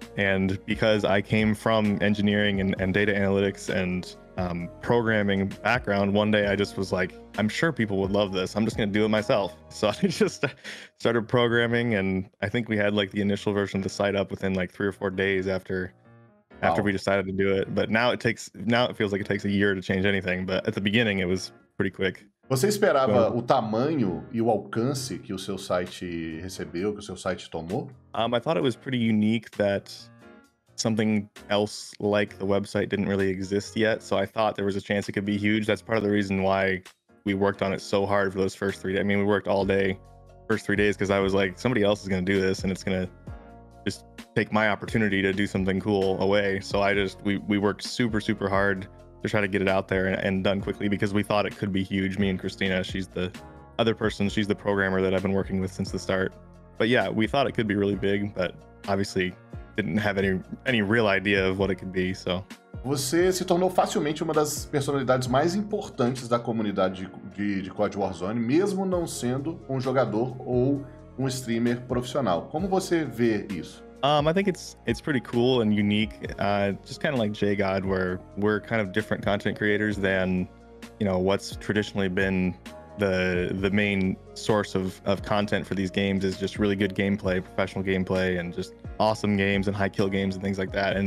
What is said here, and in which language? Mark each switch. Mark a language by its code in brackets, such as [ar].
[en] And because I came from engineering and data analytics and programming background, one day I just was like, I'm sure people would love this. I'm just gonna do it myself. So I just started programming, and I think we had like the initial version of the site up within like 3 or 4 days after we decided to do it. But now it feels like it takes a year to change anything. But at the beginning, it was pretty quick. [pt] Você esperava o tamanho e o alcance que o seu site recebeu, que o seu site tomou? [en] I thought it was pretty unique that something else like the website didn't really exist yet, so I thought there was a chance it could be huge. That's part of the reason why we worked on it so hard for those first 3 days. I mean, we worked all day, first 3 days, because I was like, somebody else is going to do this, and it's going to just take my opportunity to do something cool away. So I just, we worked super, super hard to try to get it out there and done quickly, because we thought it could be huge. Me and Christina, she's the other person, she's the programmer that I've been working with since the start. But yeah, we thought it could be really big, but obviously didn't have any real idea of what it could be, so. [pt] Você se tornou facilmente uma das personalidades mais importantes da comunidade de COD Warzone, mesmo não sendo um jogador ou um streamer profissional. Como você vê isso? [en] I think it's pretty cool and unique, just kind of like J-God, where we're kind of different content creators than, you know, what's traditionally been the main source of content for these games is just really good gameplay, professional gameplay, and just awesome games and high kill games and things like that.